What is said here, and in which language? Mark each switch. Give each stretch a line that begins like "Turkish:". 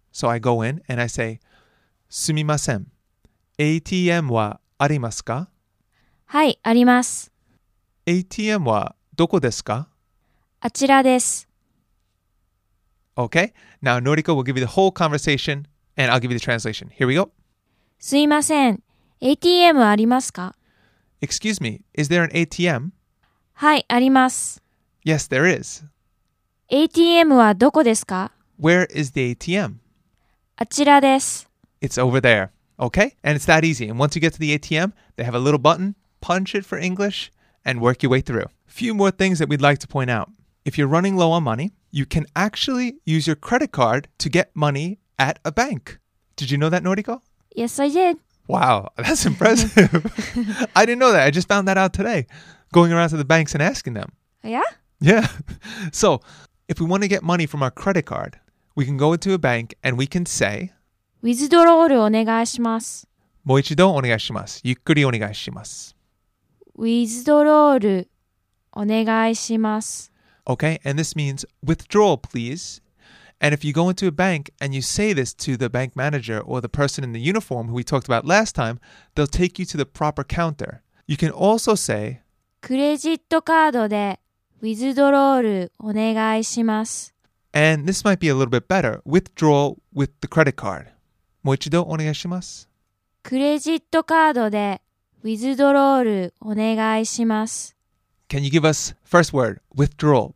English: So I go in and I say,
Japanese: すみません. ATM wa arimasu ka? Hai, arimasu. ATM wa doko desu ka? あちらです。
English: Okay, now Noriko will give you the whole conversation and I'll give you the translation. Here we go.
Japanese: すいません、ATMありますか?
English: Excuse me, is there an ATM?
Japanese: はい、あります。
English: Yes, there is.
Japanese: ATMはどこですか?
English: Where is the ATM?
Japanese: あちらです。
English: It's over there. Okay? And it's that easy. And once you get to the ATM, they have a little button. Punch it for English and work your way through. Few more things that we'd like to point out. If you're running low on money, you can actually use your credit card to get money at a bank. Did you know that, Noriko? Yes, I did. Wow, that's impressive. I didn't know that. I just found that out today, going around to the banks and asking them. Yeah? Yeah. So, if we want to get money from our credit card, we can go into a bank and we can say,
Japanese: Withdrawal お願いします。もう一度お願いします。ゆっくりお願いします。 Withdrawal お願いします。
English: Okay, and this means withdrawal, please. And if you go into a bank and you say this to the bank manager or the person in the uniform who we talked about last time, they'll take you to the proper counter. You can also say,
Japanese: クレジットカードで withdrawal お願いします。
English: And this might be a little bit better. Withdrawal with the credit card.
Japanese: もう一度お願いします。クレジットカードで withdrawal お願いします。
English: Can you give us first word, withdrawal?